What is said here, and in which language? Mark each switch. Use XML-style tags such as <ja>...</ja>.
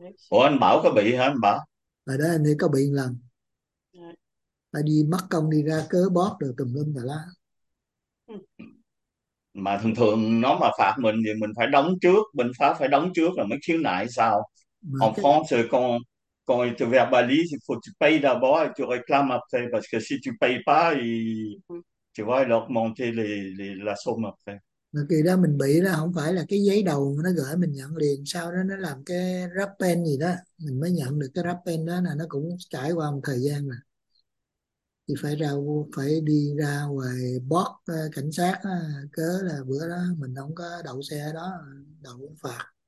<vi>Ủa anh Bảo có bị hả anh Bảo? đó anh ấy có bị một lần, phải đi mất công đi ra cớ bót được tùm lum tà lá. Mà thường thường nó mà phạt mình thì mình phải đóng trước, bên pháp phải đóng trước là mới khiếu nại sao? Mà</vi> <fr>En France, quand ils te verbalisent, il faut que tu payes d'abord et tu réclames après. Parce que si tu payes pas, tu vas leur monter la somme après.</fr> <vi>mà kỳ đó mình bị đó không phải là cái giấy đầu mà nó gửi mình nhận liền, sau đó nó làm cái rắp pen gì đó mình mới nhận được cái rắp pen đó, là nó cũng trải qua một thời gian rồi thì phải đi ra ngoài bót cảnh sát đó. Cớ là bữa đó mình không có đậu xe đó, đậu cũng phạt.</vi>